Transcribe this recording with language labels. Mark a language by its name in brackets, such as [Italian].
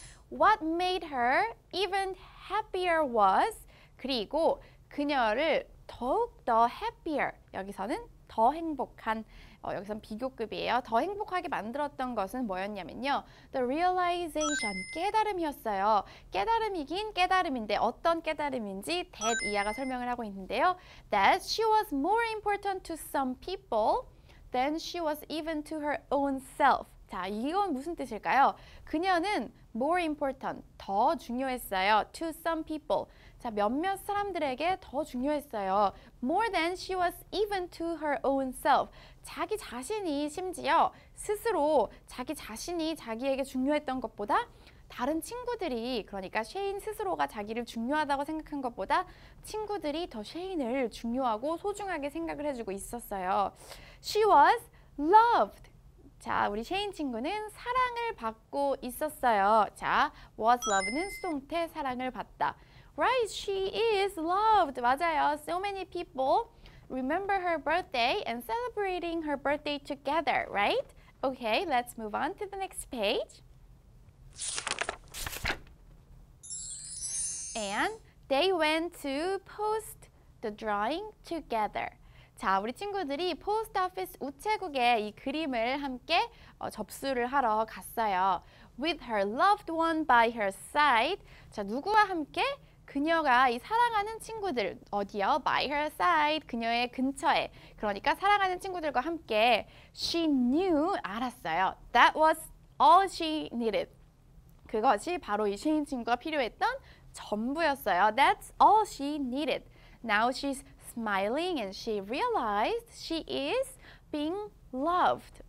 [English] What made her even happier was [Korean] 그리고 그녀를 더욱더 happier, 여기서는 더 행복한, 여기서는 비교급이에요. 더 행복하게 만들었던 것은 뭐였냐면요. [English] The realization, [Korean] 깨달음이었어요. 깨달음이긴 깨달음인데 어떤 깨달음인지 that 이하가 설명을 하고 있는데요. [English] That she was more important to some people than she was even to her own self. [Korean] 자, 이건 무슨 뜻일까요? 그녀는 [English] More important, [Korean] 더 중요했어요. [English] To some people. [Korean] 자, 몇몇 사람들에게 더 중요했어요. [English] More than she was even to her own self. [Korean] 자기 자신이 심지어 스스로 자기 자신이 자기에게 중요했던 것보다 다른 친구들이, 그러니까 쉐인 스스로가 자기를 중요하다고 생각한 것보다 친구들이 더 쉐인을 중요하고 소중하게 생각을 해주고 있었어요. [English] She was loved. [Korean] 자, 우리 쉐인 친구는 사랑을 받고 있었어요. 자, was loved는 수동태 사랑을 받다. [English] Right, she is loved. [Korean] 맞아요. [English] So many people remember her birthday and celebrating her birthday together, right? Okay, let's move on to the next page. And they went to post the drawing together. [Korean] 자, 우리 친구들이 포스트 오피스 우체국에 이 그림을 함께 접수를 하러 갔어요. [English] With her loved one by her side. [Korean] 자, 누구와 함께? 그녀가 이 사랑하는 친구들, 어디요? By her side, 그녀의 근처에. 그러니까 사랑하는 친구들과 함께 [English] she knew, [Korean] 알았어요. [English] That was all she needed. [Korean] 그것이 바로 이 쉐인 친구가 필요했던 전부였어요. [English] That's all she needed. Now she's smiling and she realized she is being loved.